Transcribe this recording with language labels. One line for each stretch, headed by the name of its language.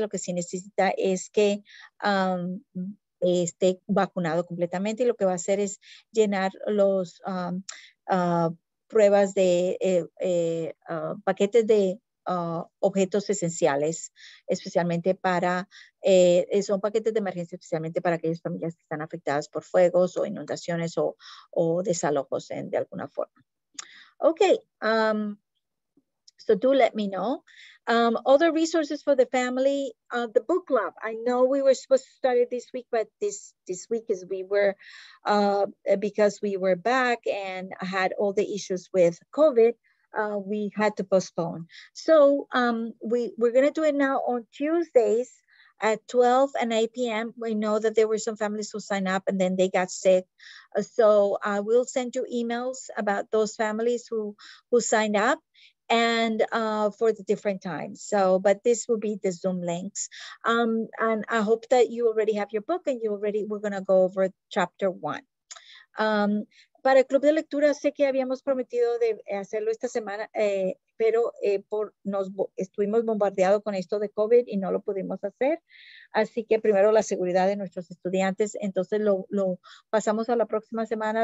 Spanish: Lo que sí necesita es que esté vacunado completamente y lo que va a hacer es llenar los pruebas de paquetes de objetos esenciales, especialmente para, son paquetes de emergencia, especialmente para aquellas familias que están afectadas por fuegos o inundaciones o desalojos en, de alguna forma.
English: Ok, so do let me know. Other resources for the family, the book club. I know we were supposed to start it this week, but this week is we were, because we were back and had all the issues with COVID, we had to postpone. So we're going to do it now on Tuesdays at 12 and 8 p.m. We know that there were some families who signed up and then they got sick. So I will send you emails about those families who signed up and for the different times. So, but this will be the Zoom links. And I hope that you already have your book and you already, we're going to go over chapter one.
Spanish: Para el club de lectura, sé que habíamos prometido de hacerlo esta semana, pero estuvimos bombardeados con esto de COVID y no lo pudimos hacer. Así que primero la seguridad de nuestros estudiantes. Entonces lo pasamos a la próxima semana.